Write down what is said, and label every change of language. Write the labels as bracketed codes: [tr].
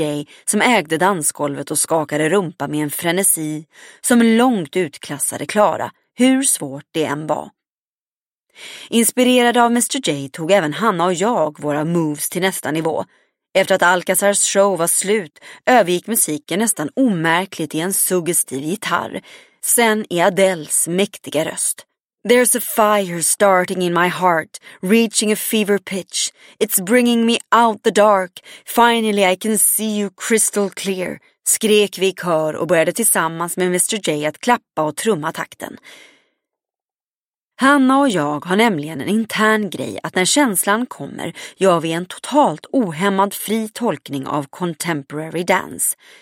[sv] J som ägde dansgolvet och skakade rumpa med en frenesi som långt utklassade Klara, hur svårt det än var. Inspirerade av Mr. J tog även Hanna och jag våra moves till nästa nivå. Efter att Alcazars show var slut övergick musiken nästan omärkligt i en suggestiv gitarr. Sen i Adels mäktiga röst. [en] There's a fire starting in my heart, reaching a fever pitch. It's bringing me out the dark. Finally I can see you crystal clear, skrek vi i kör och började tillsammans med Mr. [sv] J att klappa och trumma takten. Hanna och jag har nämligen en intern grej att när känslan kommer gör vi en totalt ohämmad fri tolkning av contemporary dance.